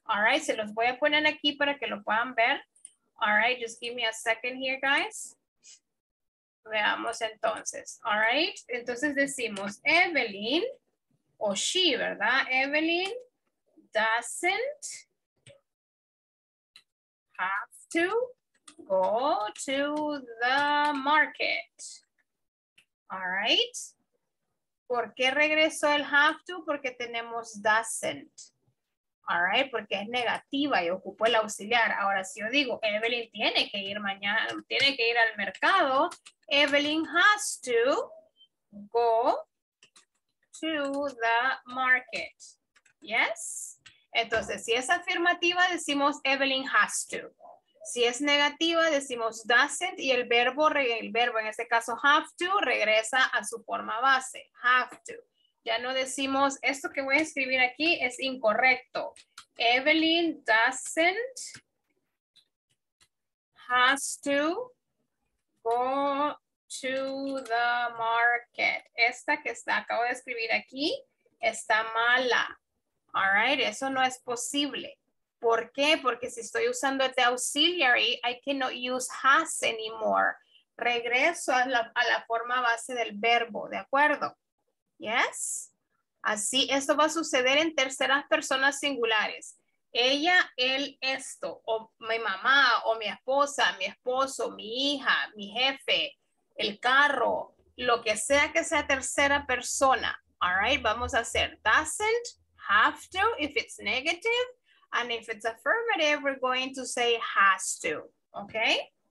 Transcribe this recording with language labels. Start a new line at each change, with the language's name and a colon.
English: All right, se los voy a poner aquí para que lo puedan ver. All right, just give me a second here, guys.
Spanish: Veamos entonces. All right, entonces decimos Evelyn o she, ¿verdad?
English: Evelyn doesn't have to go to the market.
Spanish: All right. ¿Por qué regresó el have to? Porque tenemos doesn't. All right. Porque es negativa y ocupó el auxiliar. Ahora, si yo digo Evelyn tiene que ir mañana, tiene que ir al mercado,
English: Evelyn has to go to the market.
Spanish: Yes. Entonces, si es afirmativa, decimos Evelyn has to. Si es negativa, decimos doesn't y el verbo en este caso have to regresa a su forma base, have to. Ya no decimos, esto que voy a escribir aquí es incorrecto.
English: Evelyn doesn't has to go to the market.
Spanish: Esta que está, acabo de escribir aquí está mala. All right, eso no es posible. ¿Por qué? Porque si estoy usando
English: the auxiliary, I cannot use has anymore.
Spanish: Regreso a la forma base del verbo, ¿de acuerdo? Yes. Así, esto va a suceder en terceras personas singulares. Ella, él, esto, o mi mamá, o mi esposa, mi esposo, mi hija, mi jefe, el carro, lo que sea tercera persona.
English: All right,
Spanish: vamos a hacer
English: doesn't, have to, if it's negative, and if it's affirmative, we're going to say has to, okay?